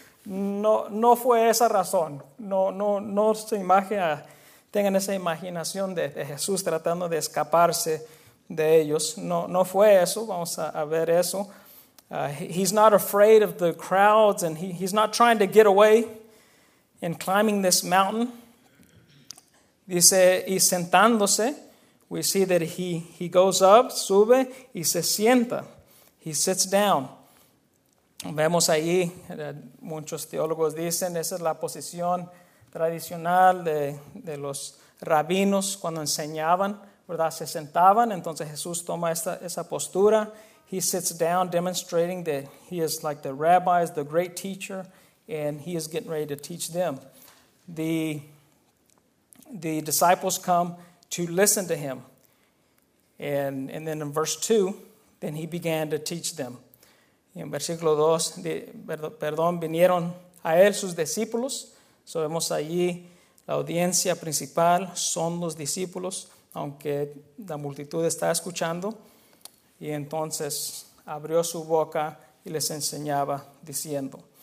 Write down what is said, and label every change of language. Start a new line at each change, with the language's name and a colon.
Spanish: No fue esa razón. No se imagina, tengan esa imaginación de Jesús tratando de escaparse de ellos. No fue eso. Vamos a ver eso.
English: He's not afraid of the crowds, and he's not trying to get away in climbing this mountain.
Spanish: Dice, y sentándose,
English: we see that he goes up,
Spanish: sube, y se sienta.
English: He sits down.
Spanish: Vemos ahí, muchos teólogos dicen, esa es la posición tradicional de los rabinos cuando enseñaban, ¿verdad? Se sentaban, entonces Jesús toma esa postura.
English: He sits down, demonstrating that he is like the rabbis, the great teacher, and he is getting ready to teach them. The disciples come to listen to him. And then in verse 2, then he began to teach them.
Spanish: En versículo 2, vinieron a él sus discípulos. So vemos allí la audiencia principal, son los discípulos, aunque la multitud está escuchando. Y entonces abrió su boca y les enseñaba diciendo.